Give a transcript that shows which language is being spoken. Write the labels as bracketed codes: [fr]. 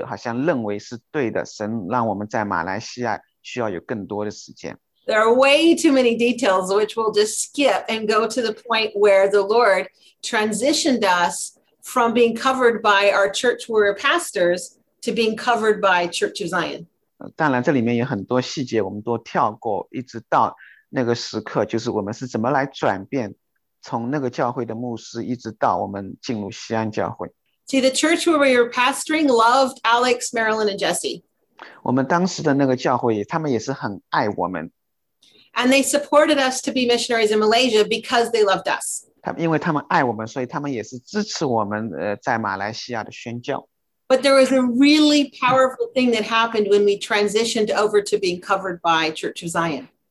[zh] 所以我们当初也是和那个教会那个领袖团体一起来查验，他们也是好像认为是对的，神让我们在马来西亚。 [en] There are way too many details which we'll just skip and go to the point where the Lord transitioned us from being covered by our church where we're pastors to being covered by Church of Zion. [zh] 当然这里面有很多细节我们都跳过，一直到那个时刻，就是我们是怎么来转变，从那个教会的牧师一直到我们进入西安教会。 [en] See, the church where we were pastoring loved Alex, Marilyn, and Jesse. [zh] 我们当时的那个教会，他们也是很爱我们。 [en] And they supported us to be missionaries in Malaysia because they loved us. [zh] 因为他们爱我们，所以他们也是支持我们在马来西亚的宣教。 [en] But there was a really powerful thing that happened when we transitioned over to being covered by Church of Zion.